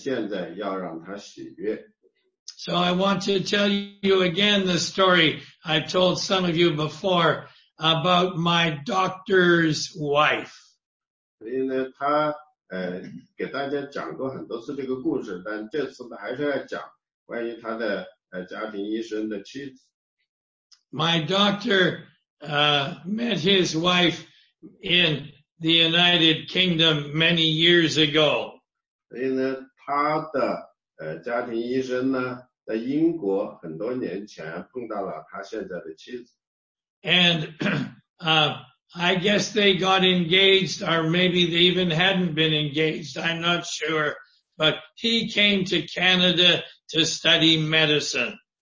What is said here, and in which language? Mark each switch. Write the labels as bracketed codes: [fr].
[zh] 所以呢，那个盼望和主在一起的是如此的美好，所以我们现在要让他喜悦。 [en] So I want to tell you again the story I've told some of you before about my doctor's wife. [zh] 所以呢，他给大家讲过很多次这个故事，但这次呢还是要讲关于他的家庭医生的妻子。 [en] My doctor met his wife in the United Kingdom many years ago. [zh] 所以呢，他的家庭医生呢，在英国很多年前碰到了他现在的妻子。 [en] And I guess they got engaged, or maybe they even hadn't been engaged. I'm not sure. But he came to Canada to study medicine.